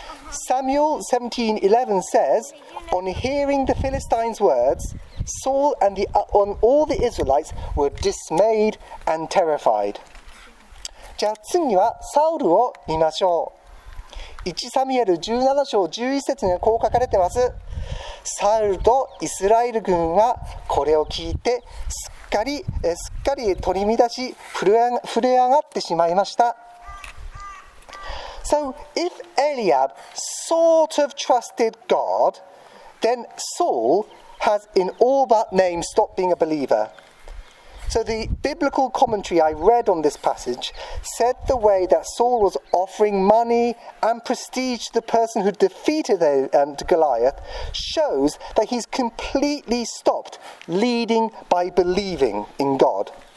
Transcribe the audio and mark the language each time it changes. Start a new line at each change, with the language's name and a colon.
English: Samuel 17:11 says, On hearing the Philistines' words, Saul and all the Israelites were dismayed and terrified.
Japanese: じゃあ次はサウルを見ましょう。 1サミエル17章11節にはこう書かれてます。サウルとイスラエル軍はこれを聞いてすっかり取り乱し、震え上がってしまいました。
English: So if Eliab sort of trusted God, then Saul has in all but name stopped being a believer. So the biblical commentary I read on this passage said the way that Saul was offering money and prestige to the person who defeated Goliath shows that he's completely stopped leading by believing in God.